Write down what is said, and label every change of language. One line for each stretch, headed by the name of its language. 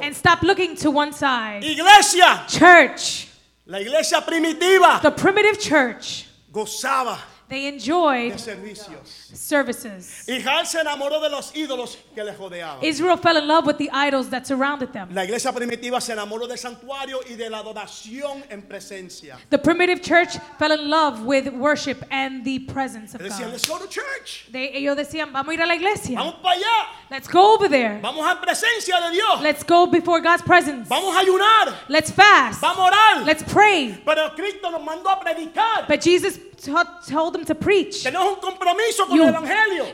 English: And stop looking to one side.
Spanish: Iglesia.
English: Church.
Spanish: La iglesia primitiva.
English: The primitive church.
Spanish: Gozaba.
English: They enjoyed
Spanish: de servicios.
English: Services.
Spanish: Israel se enamoró de los ídolos que les rodeaban.
English: Israel fell in love with the idols that surrounded them.
Spanish: La iglesia primitiva se enamoró del santuario y de la adoración en presencia.
English: The primitive church fell in love with worship and the presence of God.
Spanish: Decían,
English: let's go to church.
Spanish: Ellos decían, vamos a ir a la iglesia. Vamos para allá.
English: Let's go over there.
Spanish: Vamos a la presencia de Dios.
English: Let's go before God's presence.
Spanish: Vamos a ayunar.
English: Let's fast.
Spanish: Vamos a orar.
English: Let's pray.
Spanish: Pero Cristo nos mandó a predicar.
English: But Jesus told them to preach.
Spanish: Tenemos un compromiso con el evangelio.